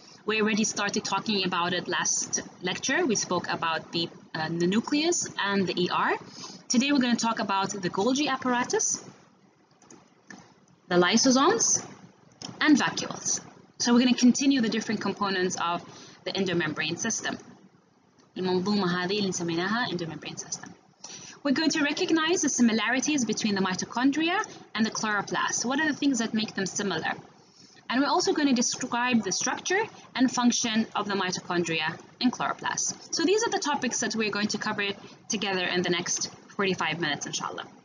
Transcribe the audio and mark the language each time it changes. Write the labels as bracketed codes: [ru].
[en] We already started talking about it last lecture. We spoke about the nucleus and the ER. Today we're going to talk about the Golgi apparatus, the lysosomes, and vacuoles. So we're going to continue the different components of the endomembrane system. [ar] المنظومه هذه اللي سميناها endomembrane system. [en] We're going to recognize the similarities between the mitochondria and the chloroplast. What are the things that make them similar? And we're also going to describe the structure and function of the mitochondria and chloroplast. So these are the topics that we're going to cover together in the next 45 minutes, inshallah.